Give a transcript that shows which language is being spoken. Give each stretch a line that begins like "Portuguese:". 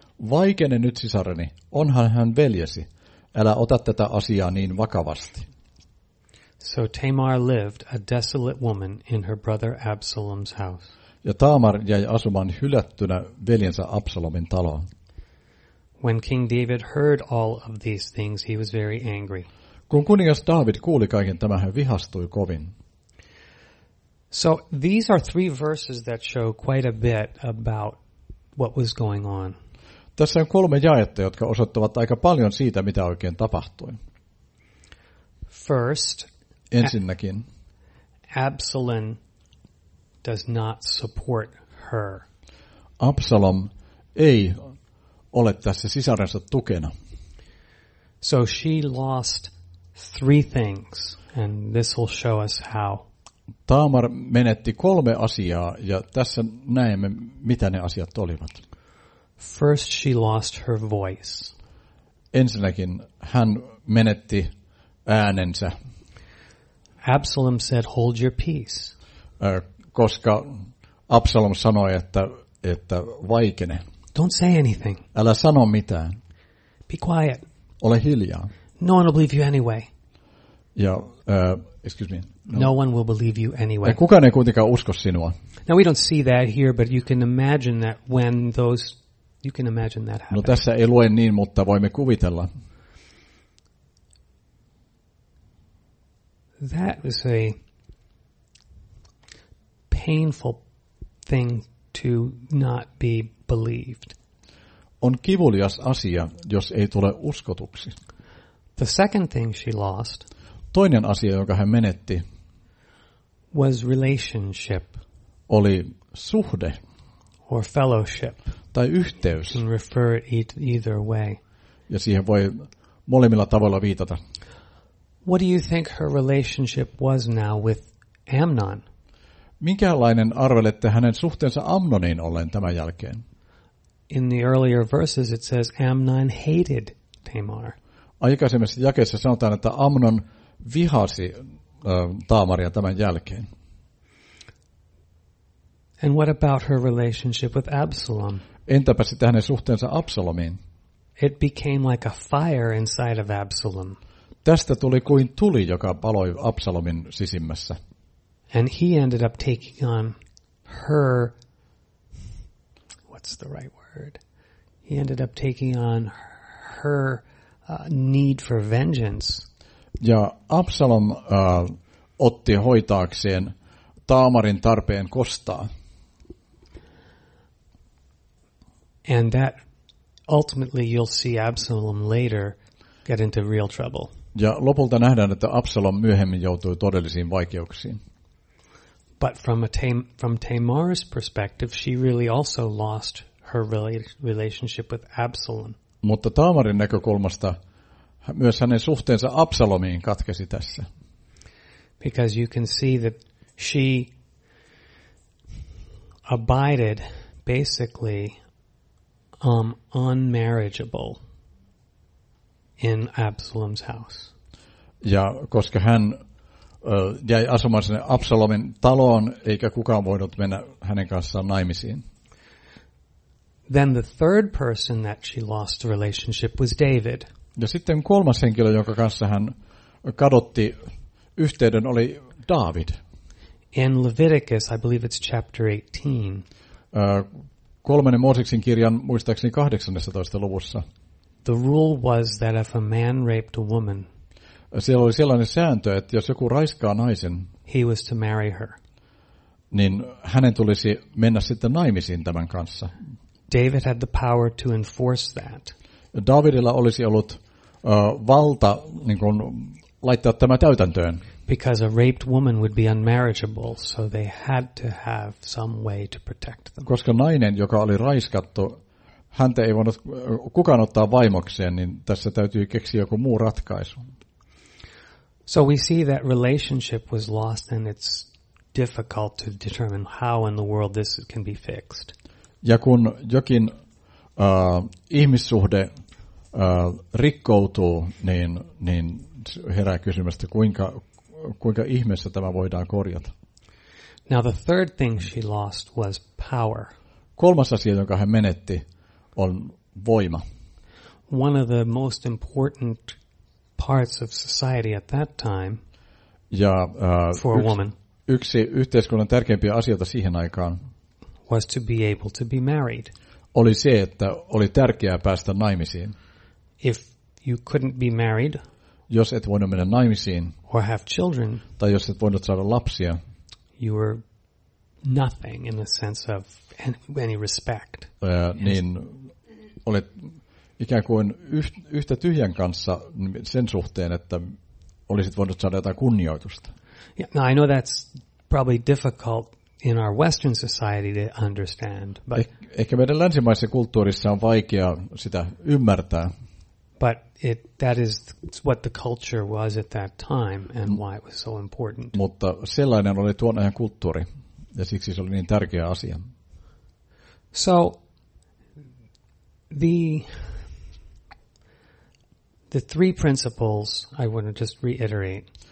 Finnish: Vaikene nyt sisareni, onhan hän veljesi. Älä ota tätä asiaa niin vakavasti."
English: So Tamar lived a desolate woman in her brother Absalom's house.
Finnish: Ja Taamar jäi asumaan hylättynä veljensä Absalomin taloon.
English: When King David heard all of these things, he was very angry.
Finnish: Kun kuningas David kuuli kaiken tämän, hän vihastui kovin.
English: So these are three verses that show quite a bit about what was going on.
Finnish: Tässä on kolme jaetta, jotka osoittavat aika paljon siitä, mitä oikein tapahtui.
English: First,
Finnish: ensinnäkin,
English: Absalom does not support her.
Finnish: Absalom ei ole tässä sisarensa tukena.
English: So she lost three things, and this will show us how.
Finnish: Taamar menetti kolme asiaa, ja tässä näemme, mitä ne asiat olivat.
English: First, she lost her voice.
Finnish: Ensinnäkin, hän menetti äänensä.
English: Absalom said, "Hold your peace."
Finnish: Koska Absalom sanoi, että vaikene.
English: Don't say anything.
Finnish: Älä sano mitään.
English: Be quiet.
Finnish: Ole hiljaa.
English: No one will believe you anyway.
Finnish: Ja,
English: excuse me. No one will believe you anyway.
Finnish: Kukaan ei kuitenkaan usko sinua.
English: Now we don't see that here, but you can imagine that when those, you can imagine that happened.
Finnish: No tässä ei lue niin, mutta voimme kuvitella.
English: That is a painful thing to not be believed.
Finnish: On kivulias asia, jos ei tule uskotuksi.
English: The second thing she lost.
Finnish: Toinen asia, jonka hän menetti.
English: Was relationship.
Finnish: Oli suhde.
English: Or fellowship.
Finnish: Tai yhteys.
English: You can refer it either way.
Finnish: Ja siihen voi molemmilla tavoilla viitata.
English: What do you think her relationship was now with Amnon?
Finnish: Minkälainen arvelette hänen suhteensa Amnoniin ollen tämän jälkeen?
English: In the earlier verses it says Amnon hated Tamar.
Finnish: Aikaisemmissa jakeissa sanotaan, että Amnon vihasi Taamaria tämän jälkeen.
English: And what about her relationship with Absalom?
Finnish: Entäpä sitten hänen suhteensa Absalomiin?
English: It became like a fire inside of Absalom. Tästä tuli kuin tuli, joka paloi Absalomin sisimmässä. And he ended up taking on her, what's the right word? He ended up taking on her need for vengeance.
Finnish: Ja Absalom otti hoitaakseen Taamarin tarpeen kostaa.
English: And that ultimately you'll see Absalom later get into real trouble.
Finnish: Ja lopulta nähdään, että Absalom myöhemmin joutui todellisiin vaikeuksiin.
English: But from Tamar's perspective, she really also lost her relationship with Absalom.
Finnish: Mutta Taamarin näkökulmasta myös hänen suhteensa Absalomiin katkesi tässä.
English: Because you can see that she abided basically unmarriageable in Absalom's house.
Finnish: Ja koska hän jäi asumaan sinne Absalomin taloon, eikä kukaan voinut mennä hänen kanssaan naimisiin.
English: Then the third person that she lost a relationship was David.
Finnish: Ja sitten kolmas henkilö, jonka kanssa hän kadotti yhteyden, oli David.
English: In Leviticus, I believe it's chapter 18.
Finnish: Kolmannen Mooseksen kirjan muistaakseni 18. luvussa.
English: The rule was that if a man raped a woman,
Finnish: siellä oli sellainen sääntö, että jos joku raiskaa naisen,
English: he was to marry her.
Finnish: Niin hänen tulisi mennä sitten naimisiin tämän kanssa.
English: David had the power to enforce that.
Finnish: Davidilla olisi ollut valta niin kuin laittaa tämä täytäntöön.
English: Because a raped woman would be unmarriageable, so they had to have some way to protect them.
Finnish: Koska nainen, joka oli raiskattu, häntä ei voinut kukaan ottaa vaimokseen, niin tässä täytyy keksiä joku muu ratkaisu.
English: So we see that relationship was lost and it's difficult to determine how in the world this can be fixed.
Finnish: Ja kun jokin ihmissuhde rikkoutuu, niin herää kysymys, kuinka ihmeessä tämä voidaan korjata.
English: Now the third thing she lost was power.
Finnish: Kolmas asia, jonka hän menetti, on voima.
English: One of the most important parts of society at that time.
Finnish: Ja
English: for a woman.
Finnish: Yksi yhteiskunnan tärkeimpiä asioita siihen aikaan
English: was to be able to be married.
Finnish: Oli se, että oli tärkeää päästä naimisiin.
English: If you couldn't be married,
Finnish: jos et voinut mennä naimisiin,
English: or have children,
Finnish: tai jos et voinut saada lapsia,
English: you were nothing in the sense of any respect.
Finnish: Niin olet ikään kuin yhtä tyhjän kanssa sen suhteen, että olisit voinut saada jotain kunnioitusta.
English: Yeah, now I know that's probably difficult in our Western society to understand. But
Finnish: ehkä meidän länsimaisessa kulttuurissa on vaikea sitä ymmärtää.
English: But that is what the culture was at that time and why it was so important.
Finnish: Mutta sellainen oli tuon ajan kulttuuri ja siksi se oli niin tärkeä asia.
English: So the three principles I want to just reiterate.